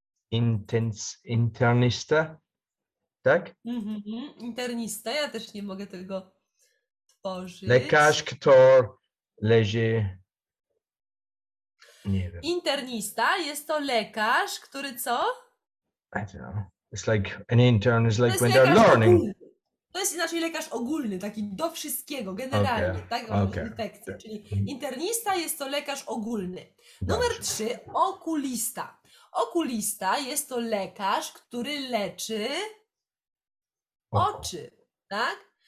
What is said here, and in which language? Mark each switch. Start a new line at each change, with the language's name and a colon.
Polish: Internista, tak? Mm-hmm. Internista, ja też nie mogę tego tworzyć. Lekarz, który leży... Nie wiem. Internista jest to lekarz, który co?
English: I don't know. It's like an intern is like when they're learning.
Polish: To jest inaczej lekarz ogólny, taki do wszystkiego, generalnie, okay. Tak? Okay. Infekcje. Czyli internista jest to lekarz ogólny. Numer trzy, okulista. Okulista jest to lekarz, który leczy oczy, tak?